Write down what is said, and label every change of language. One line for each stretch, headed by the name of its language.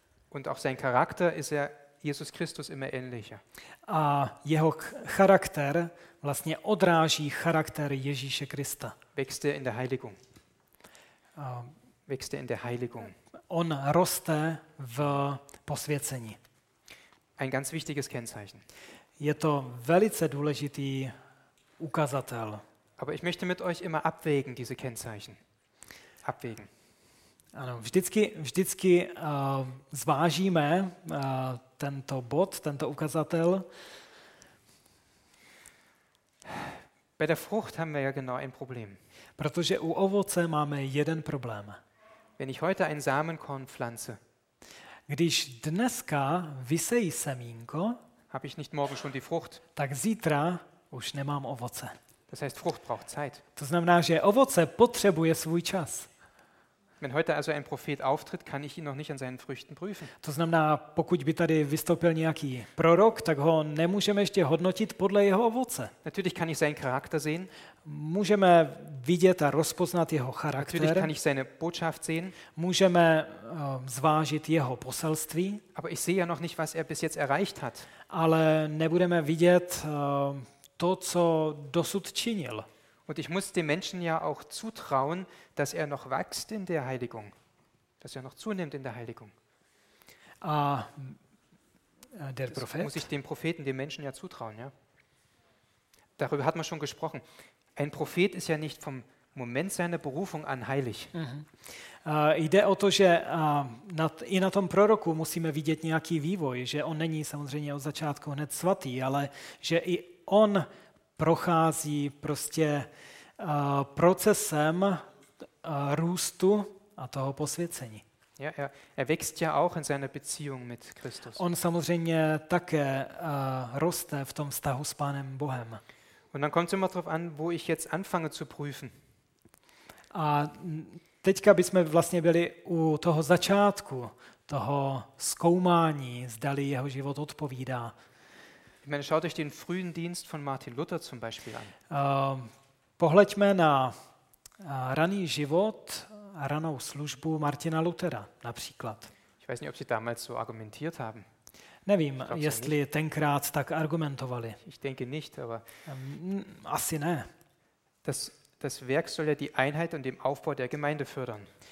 German: Und auch sein Charakter ist er Jesus Christus immer ähnlicher.
Czech: A jeho charakter vlastně odráží charakter Ježíše Krista.
German: Wächst er in der Heiligung. Wächst er in der Heiligung.
Czech: On roste v posvěcení.
German: Ein ganz wichtiges Kennzeichen.
Czech: Je to velice důležitý ukazatel.
German: Aber ich möchte mit euch immer abwägen diese Kennzeichen. Abwägen.
Czech: Ano, vždycky zvážíme tento bod, tento ukazatel.
German: Bei der Frucht haben wir ja genau ein Problem.
Czech: Protože u ovoce máme jeden problém.
German: Wenn ich heute ein Samenkorn pflanze,
Czech: když dneska vysejí semínko,
German: habe ich nicht morgen schon die Frucht.
Czech: Tak zítra už nemám ovoce.
German: Das heißt, Frucht braucht Zeit.
Czech: To znamená, že ovoce potřebuje svůj čas.
German: Wenn heute also ein Prophet auftritt, kann ich ihn noch nicht an seinen Früchten prüfen.
Czech: To znamená, pokud by tady vystoupil nějaký prorok, tak ho nemůžeme ještě hodnotit podle jeho ovoce.
German: Natürlich kann ich seinen Charakter sehen.
Czech: Můžeme vidět a rozpoznat jeho charakter.
German: Natürlich kann ich seine Botschaft sehen.
Czech: Můžeme zvážit jeho poselství.
German: Aber ich sehe ja noch nicht, was er bis jetzt erreicht hat.
Czech: Ale nebudeme vidět to, co dosud činil.
German: Und ich muss dem Menschen ja auch zutrauen, dass er noch wächst in der Heiligung, dass er noch zunimmt in der Heiligung. Der Prophet? Muss ich dem Propheten, dem Menschen ja zutrauen, ja? Darüber hat man schon gesprochen. Ein Prophet ist ja nicht vom Moment seiner Berufung an heilig.
Czech: Jde o to, že i na tom proroku musíme vidět nějaký vývoj, že on není samozřejmě od začátku hned svatý, ale že i on prochází prostě procesem růstu a toho posvěcení.
German: Ja, er wächst ja auch in seiner Beziehung mit Christus.
Czech: On samozřejmě také roste v tom vztahu s Pánem Bohem.
German: Und dann kommt es immer darauf an, wo ich jetzt anfange zu prüfen.
Czech: A teďka bychom vlastně byli u toho začátku, toho zkoumání, zdali jeho život odpovídá.
German: Ich meine, schaut euch den frühen Dienst von Martin Luther zum Beispiel an.
Czech: Pohleďme na raný život, ranou službu Martina Luthera například.
German: Ich weiß nicht, ob sie damals so argumentiert haben.
Czech: Nevím, jestli tenkrát tak argumentovali.
German: Ich denke nicht, aber
Czech: asi ne.
German: Das Werk soll ja die Einheit und den Aufbau der Gemeinde fördern.